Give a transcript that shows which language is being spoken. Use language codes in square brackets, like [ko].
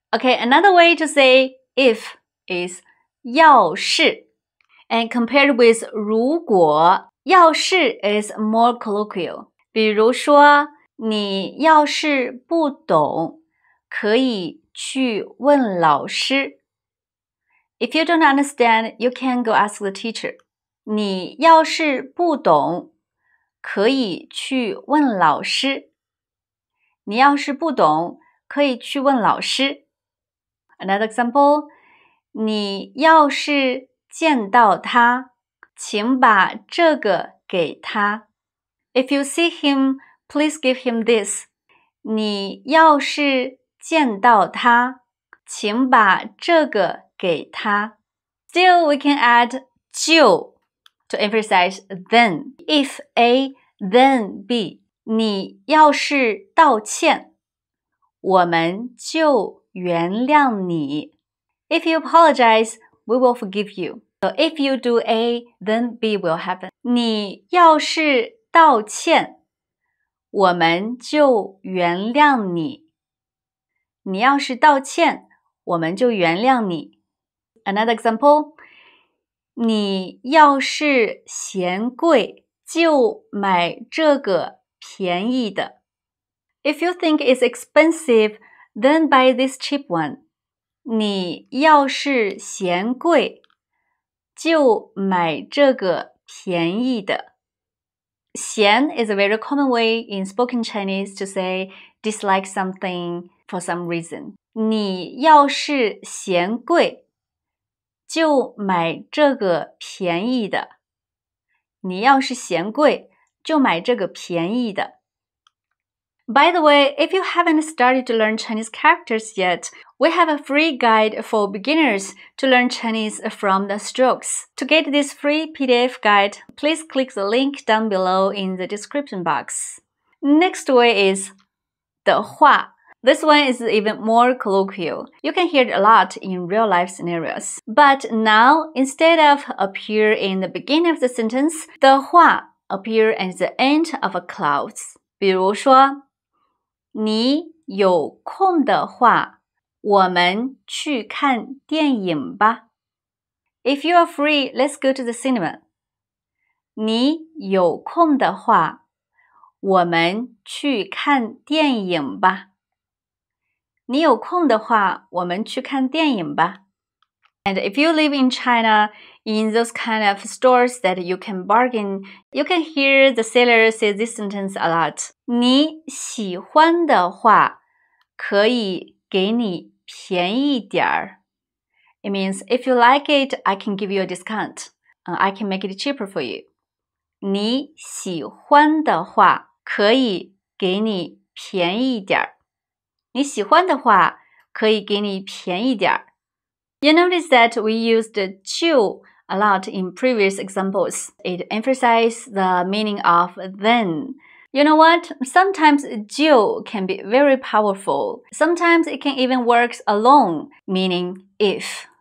[en] Okay, another way to say if is 要是。 And compared with 如果要是 is more colloquial. [zh] 比如说你要是不懂可以去问老师。 [en] If you don't understand, you can go ask the teacher. [zh] 你要是不懂可以去问老师。你要是不懂可以去问老师。 [en] Another example, [zh] 你要是见到他请把这个给他。 [en] If you see him, please give him this. [zh] 你要是见到他请把这个给他。 [en] Still, we can add 就 to emphasize then. If A, then B. [zh] 你要是道歉我们就原谅你。 [en] If you apologize, we will forgive you. So if you do A, then B will happen. [zh] 你要是道歉我们就原谅你。你要是道歉我们就原谅你。 [en] Another example. [zh] 你要是嫌贵就买这个便宜的。 [en] If you think it's expensive, then buy this cheap one. [zh] 你要是嫌贵就买这个便宜的。 [en] 嫌 is a very common way in spoken Chinese to say dislike something for some reason. [zh] 你要是嫌贵就买这个便宜的。你要是嫌贵就买这个便宜的。 [en] By the way, if you haven't started to learn Chinese characters yet, we have a free guide for beginners to learn Chinese from the strokes. To get this free PDF guide, please click the link down below in the description box. Next way is 的话.This one is even more colloquial. You can hear it a lot in real life scenarios. But now, instead of appear in the beginning of the sentence, 的话 appear at the end of a clause. [zh] 比如说你有空的话我们去看电影吧。 [en] If you are free, let's go to the cinema. [zh] 你有空的话我们去看电影吧。你有空的话，我们去看电影吧。 [en] And if you live in China, in those kind of stores that you can bargain, you can hear the seller say this sentence a lot. [zh] 你喜欢的话，可以给你便宜点儿。 [en] It means, if you like it, I can give you a discount. I can make it cheaper for you. [zh] 你喜欢的话，可以给你便宜点儿。你喜欢的话，可以给你便宜点儿。 [en] You notice that we used 就 a lot in previous examples. It emphasizes the meaning of then. You know what? Sometimes 就 can be very powerful. Sometimes it can even work alone, meaning if.